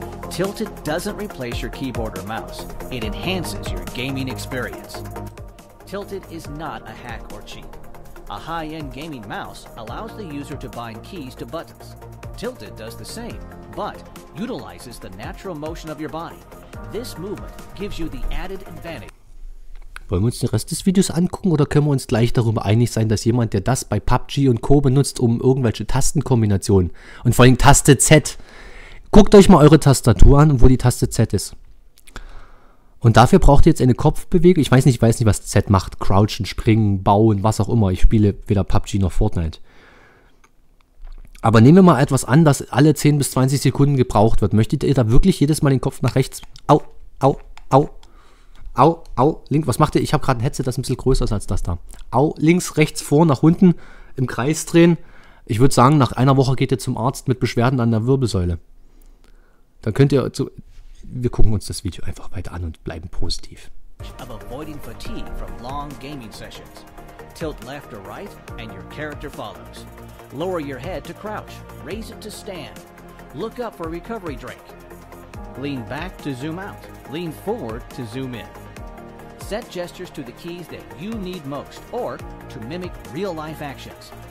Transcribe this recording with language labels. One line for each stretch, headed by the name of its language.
English: Tilted doesn't replace your keyboard or mouse. It enhances your gaming experience. Tilted is not a hack or cheat. A high-end gaming mouse allows the user to bind keys to buttons. Tilted does the same, but utilizes the natural motion of your body. This movement gives you the added advantage.
German: Wollen wir uns den Rest des Videos angucken oder können wir uns gleich darüber einig sein, dass jemand, der das bei PUBG und Co. benutzt, um irgendwelche Tastenkombinationen und vor allem Taste Z. Guckt euch mal eure Tastatur an, wo die Taste Z ist. Und dafür braucht ihr jetzt eine Kopfbewegung. Ich weiß nicht, was Z macht. Crouchen, springen, bauen, was auch immer. Ich spiele weder PUBG noch Fortnite. Aber nehmen wir mal etwas an, das alle 10 bis 20 Sekunden gebraucht wird. Möchtet ihr da wirklich jedes Mal den Kopf nach rechts? Au, au, au. Au, au, links, was macht ihr? Ich habe gerade ein Headset, das ein bisschen größer ist als das da. Au, links, rechts, vor, nach unten, im Kreis drehen. Ich würde sagen, nach einer Woche geht ihr zum Arzt mit Beschwerden an der Wirbelsäule. Dann könnt ihr zu. Wir gucken uns das Video einfach weiter an und bleiben positiv.
English: Of avoiding fatigue from long gaming sessions. Tilt left or right and your character follows. Lower your head to crouch, raise it to stand. Look up for recovery drink. Lean back to zoom out. Lean forward to zoom in. Set gestures to the keys that you need most or to mimic real-life actions.